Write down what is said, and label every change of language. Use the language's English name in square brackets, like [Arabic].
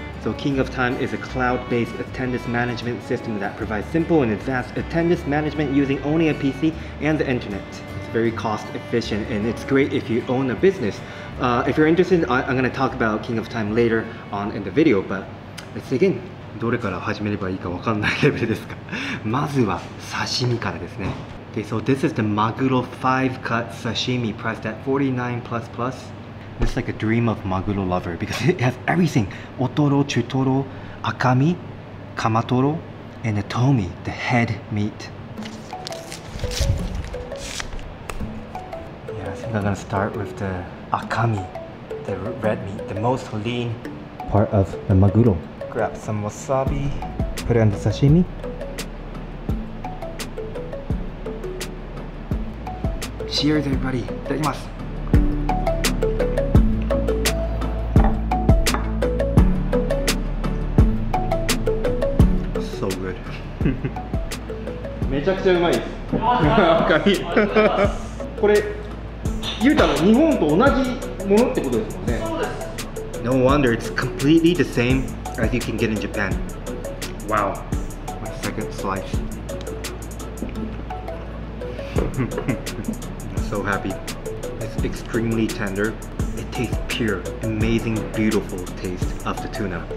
[English] So King of Time is a cloud-based attendance management system that provides simple and advanced attendance management using only a PC and the internet. It's very cost efficient and it's great if you own a business. If you're interested, I'm going to talk about King of Time later on in the video, but let's dig in. [Japanese] どれから始めればいいかわかんないレベルですか。まずは刺身からですね。 [English] Okay, so this is the maguro 5-cut sashimi priced at $49++. This is like a dream of maguro lover because it has everything. Otoro, chutoro, akami, kamatoro, and the tomi, the head meat. Yeah, I think I'm gonna start with the akami, the red meat, the most lean part of the maguro. Grab some wasabi, put it on the sashimi. Cheers, everybody. Itadakimasu. So good. [Japanese] めちゃくちゃうまいです。わかり。これ、言うたら日本と同じものってことですもんね。そうです。 [English] No wonder it's completely the same as you can get in Japan. Wow. My second slice. So happy. It's extremely tender. It tastes pure, amazing, beautiful taste of the tuna.